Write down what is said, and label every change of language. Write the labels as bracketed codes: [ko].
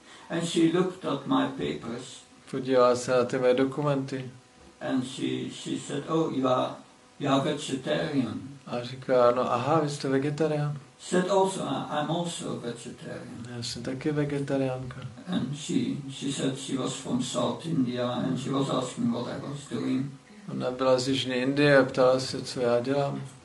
[en] And she looked at my papers. [cs] Podívala se na ty mé dokumenty. [en] And she said, oh, you are vegetarian. [cs] A říká, no aha, vy jste vegetarián. [en] Said also, I'm also a vegetarian. [cs] Já jsem taky vegetariánka. [en] And she said she was from South India and she was asking what I was doing. [cs] Ona byla z Jižní Indie a ptala se, co já dělám.